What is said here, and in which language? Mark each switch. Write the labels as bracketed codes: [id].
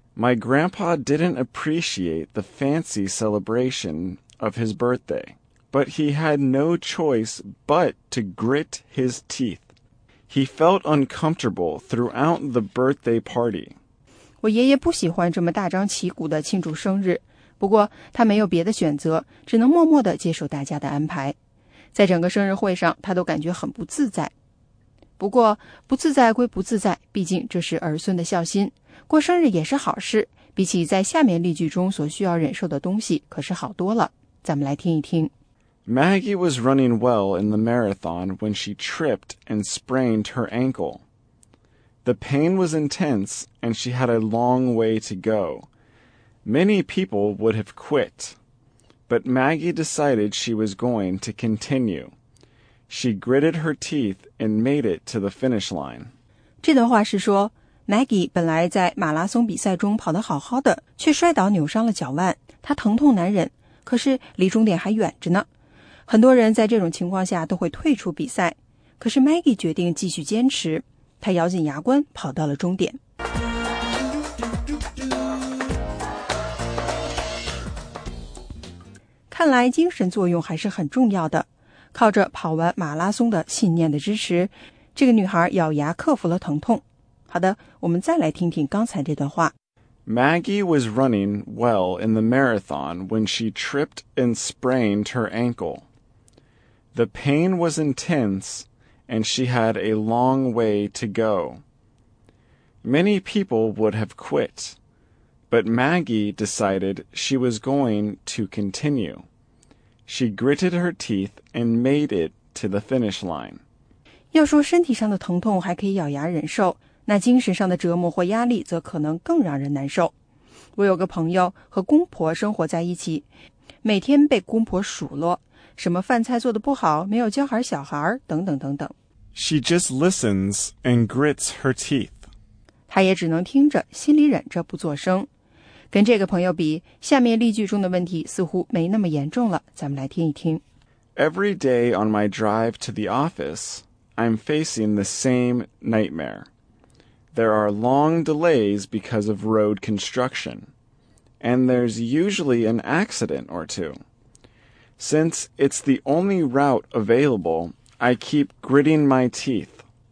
[en] My grandpa didn't appreciate the fancy celebration of his birthday, but he had no choice but to grit his teeth. He felt uncomfortable throughout the birthday party. [zh] 我爷爷不喜欢这么大张旗鼓的庆祝生日，不过他没有别的选择，只能默默地接受大家的安排。在整个生日会上，他都感觉很不自在。不过，不自在归不自在，毕竟这是儿孙的孝心。过生日也是好事，比起在下面例句中所需要忍受的东西，可是好多了。咱们来听一听。 [en] Maggie was running well in the marathon when she tripped and sprained her ankle. The pain was intense, and she had a long way to go. Many people would have quit, but Maggie decided she was going to continue. She gritted her teeth and made it to the finish line. [zh] 这段话是说 ,Maggie 本来在马拉松比赛中跑得好好的,却摔倒扭伤了脚腕,她疼痛难忍,可是离终点还远着呢。很多人在这种情况下都会退出比赛,可是 Maggie 决定继续坚持。他咬紧牙关跑到了终点。看来精神作用还是很重要的。靠着跑完马拉松的信念的支持，这个女孩咬牙克服了疼痛。好的，我们再来听听刚才这段话。 [en] Maggie was running well in the marathon when she tripped and sprained her ankle. The pain was intense. And she had a long way to go. Many people would have quit, but Maggie decided she was going to continue. She gritted her teeth and made it to the finish line. [zh] 要说身体上的疼痛还可以咬牙忍受，那精神上的折磨或压力则可能更让人难受。我有个朋友和公婆生活在一起，每天被公婆数落。什么饭菜做得不好，没有教好小孩，等等等等。 [en] She just listens and grits her teeth. [zh] 她他也只能听着，心里忍着不作声。跟这个朋友比，下面例句中的问题似乎没那么严重了，咱们来听一听。 [en] Every day on my drive to the office, I'm facing the same nightmare. There are long delays because of road construction, and there's usually an accident or two. Since it's the only route available, I keep gritting my teeth.